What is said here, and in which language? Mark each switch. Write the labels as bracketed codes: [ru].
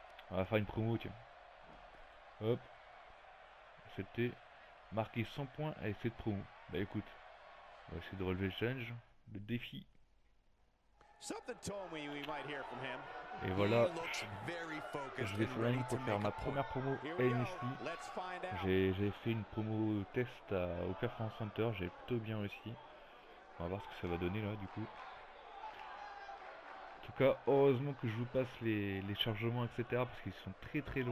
[fr] On va faire une promo, tiens. Hop. C'était marqué 100 points avec cette promo. Bah écoute, on va essayer de relever le challenge, le défi. [en] Something told me we might hear from him. [fr] Et voilà, je vais sur la ligne pour faire ma première promo à NXT. J'ai fait une promo test au Performance Center, j'ai plutôt bien réussi. On va voir ce que ça va donner là, du coup. En tout cas, heureusement que je vous passe les chargements, etc. parce qu'ils sont très très longs.